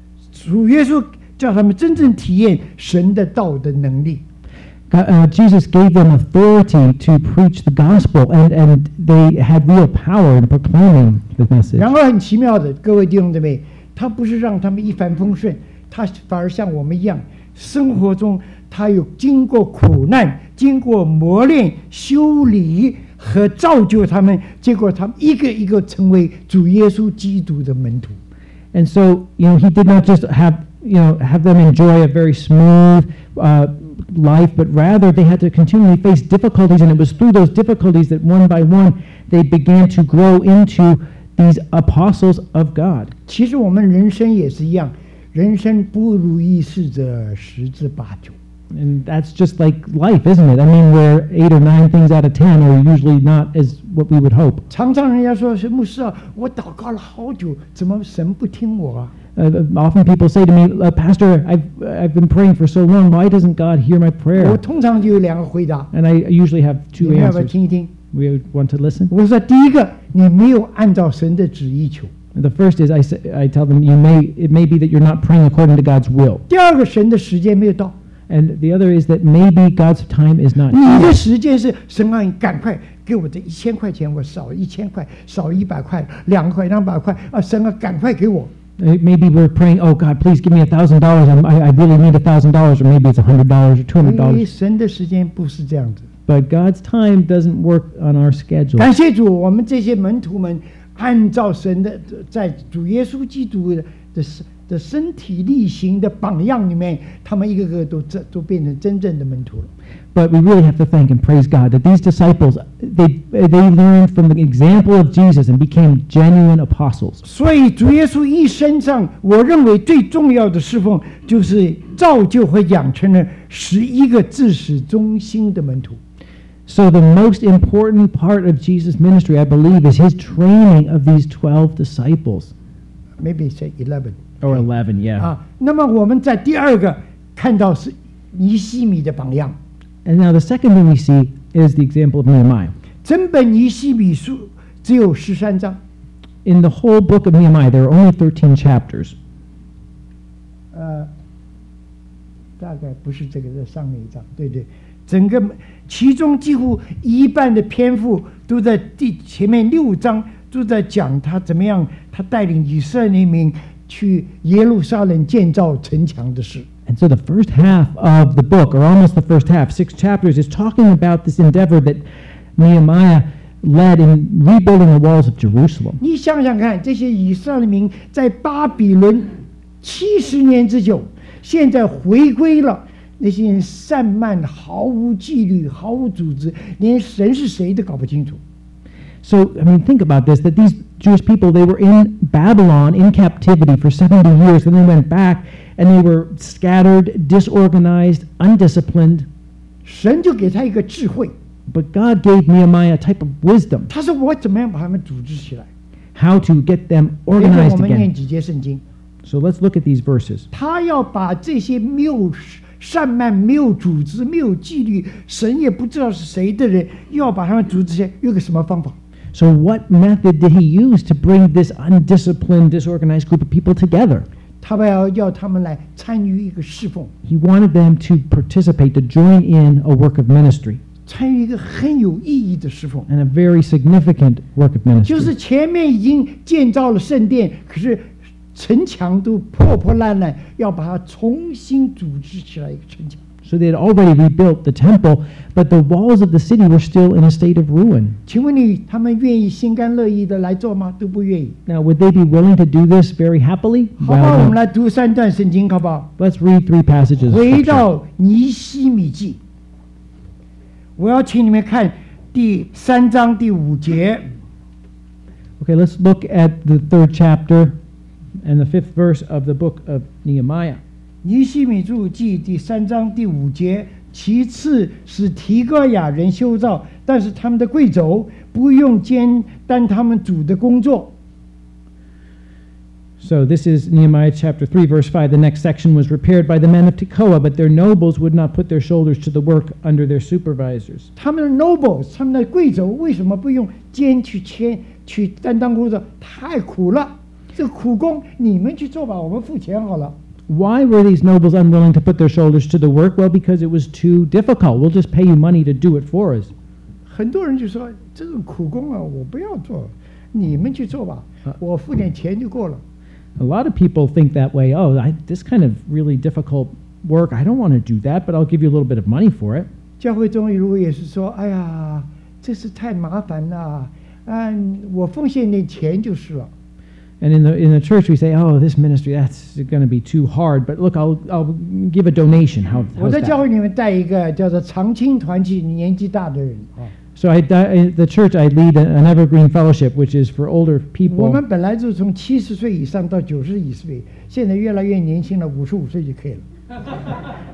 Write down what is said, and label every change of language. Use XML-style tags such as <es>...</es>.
<zh>主耶稣叫他们真正体验神的道的能力。</zh> <en>Jesus gave them authority to preach the gospel, and they had real power in proclaiming the message.</en> <zh>然而很奇妙的，各位弟兄姊妹，他不是让他们一帆风顺，他反而像我们一样，生活中他有经过苦难，经过磨练、修理和造就他们，结果他们一个一个成为主耶稣基督的门徒。</zh> <en>And so, you know, he did not just have them enjoy a very smooth life, but rather they had to continually face difficulties, and it was through those difficulties that one by one they began to grow into these apostles of God.</en> <zh>其实我们人生也是一样。人生不如意事者十之八九。</zh> <en>And that's just like life, isn't it? I mean, where 8 or 9 things out of 10 are usually not as what we would hope.</en> <zh>常常人家说，牧师啊，我祷告了好久，怎么神不听我啊？</zh> <en>Often people say to me, Pastor, I've been praying for so long, why doesn't God hear my prayer?</en> <zh>我通常就有两个回答。</zh> <en>And I usually have two answers.</en> <zh>你要不要听一听？</zh> <en>We want to listen.</en> <zh>我说第一个，你没有按照神的旨意求。</zh> <en>The first is I tell them it may be that you're not praying according to God's will.</en> <zh>第二个神的时间没有到。</zh> <en>And the other is that maybe God's time is not.</en> <zh>你的时间是神啊，你赶快给我这1000块钱，我少1000块，少100块，2块，200块啊，神啊，赶快给我。</zh> <en>Maybe we're praying, oh God, please give me $1,000. I really need $1,000, or maybe it's $100 or $200.</en> <zh>因为神的时间不是这样子。</zh> <en>But God's time doesn't work on our schedule.</en> <zh>感谢主，我们这些门徒们。按照神的在主耶稣基督 的身体力行的榜样里面，他们一个个 都变成真正的门徒了。</zh> <en>But we really have to thank and praise God that these disciples they learned from the example of Jesus and became genuine apostles.</en> <zh>所以主耶稣一生上，我认为最重要的侍奉就是造就和养成了11个至死忠心的门徒。</zh> <en>So the most important part of Jesus' ministry, I believe, is his training of these 12 disciples. Maybe say 11. Or 11, yeah.</en> <zh>那么我们在第二个看到是尼西米的榜样。</zh> <en>And now the second thing we see is the example of Nehemiah.</en> <zh>整本尼西米书只有13章。</zh> <en>In the whole book of Nehemiah, there are only 13 chapters.</en> <zh>大概不是这个，在上面一章，对对。整个其中几乎一半的篇幅都在第前面六章都在讲他怎么样，他带领以色列民去耶路撒冷建造城墙的事。</zh> <en>And so the first half of the book, or almost the first half, 6 chapters, is talking about this endeavor that Nehemiah led in rebuilding the walls of Jerusalem.</en> <zh>你想想看，这些以色列民在巴比伦七十年之久，现在回归了，那些人散漫，毫无纪律，毫无组织，连神是谁都搞不清楚。</zh> <en>So, I mean, think about this, that these Jewish people, they were in Babylon in captivity for 70 years, and they went back, and they were scattered, disorganized, undisciplined.</en> <zh>神就给他一个智慧。</zh> <en>But God gave Nehemiah a type of wisdom.</en> <zh>他说我怎么样把他们组织起来。</zh> <en>How to get them organized again.</en> <zh>我们念几节圣经。</zh> <en>So let's look at these verses.</en> <zh>他要把这些没有散漫、没有组织、没有纪律、神也不知道是谁的人，要把他们组织起来，用个什么方法？</zh> <en>So what method did he use to bring this undisciplined, disorganized group of people together?</en> <zh>他要他们来参与一个侍奉。</zh> <en>He wanted them to participate, to join in a work of ministry.</en> <zh>参与一个很有意义的侍奉。</zh> <en>And a very significant work of ministry.</en> <zh>就是前面已经建造了圣殿，可是城墙都破破烂烂，要把它重新组织起来一个城墙。</zh> <en>So they had already rebuilt the temple, but the walls of the city were still in a state of ruin.</en> <zh>请问你，他们愿意心甘乐意的来做吗？都不愿意。</zh> <en>Now, would they be willing to do this very happily?</en> <zh>好吧，我们来读三段圣经，好不好？</zh> <en>Let's read three passages.</en> <zh>回到尼希米记，我要请你们看第三章第五节。</zh> <en>Okay, let's look at the third chapter and the fifth verse of the book of Nehemiah.</en> <zh>尼希米著记第三章第五节，其次使提哥雅人修造，但是他们的贵胄不用兼担他们主的工作。</zh> <en>So this is Nehemiah chapter 3 verse 5. The next section was repaired by the men of Tekoa, but their nobles would not put their shoulders to the work under their supervisors.</en> <zh>他们的 nobles, 他们的贵胄为什么不用兼去担当工作？太苦了，这苦工你们去做吧，我们付钱好了。</zh> <en>Why were these nobles unwilling to put their shoulders to the work? Well, because it was too difficult. We'll just pay you money to do it for us.</en> <zh>很多人就说这种苦工啊，我不要做，你们去做吧，我付点钱就够了。</zh> <en>A lot of people think that way. Oh, this kind of really difficult work, I don't want to do that, but I'll give you a little bit of money for it.</en> <zh>教会中如果也是说，哎呀，这是太麻烦了，我奉献点钱就是了。</zh> <en>And in the church, we say, oh, this ministry, that's going to be too hard. But look, I'll give a donation. How's that?</en> <zh>我在教会里面带一个叫做长青团契，年纪大的人。</zh> <en>So I lead an evergreen fellowship, which is for older people.</en> <zh>我们本来就是从七十岁以上到九十以岁，现在越来越年轻了，五十五岁就可以了。</zh>